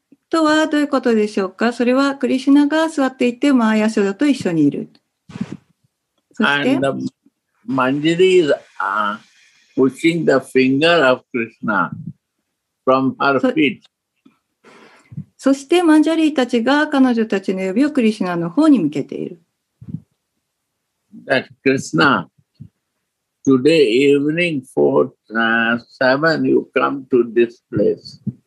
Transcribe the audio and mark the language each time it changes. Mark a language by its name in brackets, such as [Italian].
[Japanese] とはどういうことでしょうか。それはクリシュナが座っていてマーヤ・ショダと一緒にいる。そ [English] して、And the Manjari is pushing the finger of Krishna from her feet. [Japanese] そしてマンジャリーたちが彼女たちの指をクリシュナの方に向けている。 [English] That Krishna, today evening for seven, you come to this place.